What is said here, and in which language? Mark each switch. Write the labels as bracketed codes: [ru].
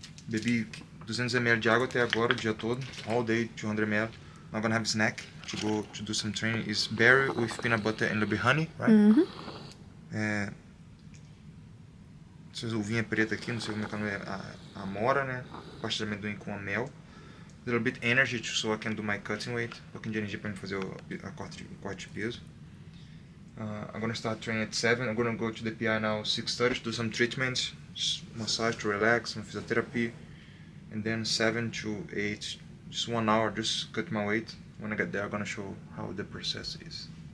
[pt] Bebi 200 ml de água até agora, dia todo, [en] all day 200 ml. I'm gonna have a snack to go to do some training. It's berry with peanut butter and a little bit honey, right? [pt] Essa uvinha preta aqui, não sei como é que é a amora, né? Pasta de amendoim com a mel. [en] A little bit energy so I can do my cutting weight. [pt] Um pouquinho de energia para fazer a corte de peso. [en] I'm gonna start training at 7. I'm gonna go to the PI now 6:30 to do some treatments. Massage to relax, some physiotherapy. And then 7 to 8, just 1 hour, just cut my weight. When I get there, I'm gonna show how the process is.